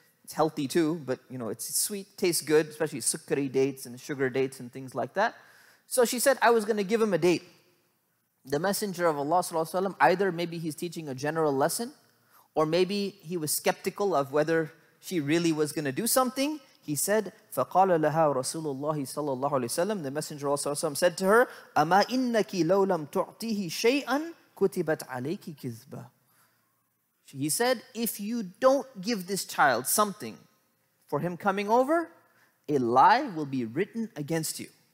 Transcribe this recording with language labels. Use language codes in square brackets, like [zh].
[en] It's healthy too, but, you know, it's sweet. Tastes good, especially sukkari dates and sugar dates and things like that. So she said, I was going to give him a date. The Messenger of Allah Sallallahu Alaihi Wasallam, either maybe he's teaching a general lesson, or maybe he was skeptical of whether she really was going to do something. He said, [ar] فَقَالَ لَهَا رَسُولُ اللَّهِ صَلَّى اللَّهُ عَلَيْهِ وَسَلَّمُ. [en] The Messenger of Allah Sallallahu Alaihi Wasallam said to her, [ar] أَمَا إِنَّكِ لَوْ لَمْ تُعْطِيهِ شَيْئًا كُتِبَتْ عَلَيْكِ كِذْبًا. [en] He said, if you don't give this child something for him coming over, a lie will be written against you.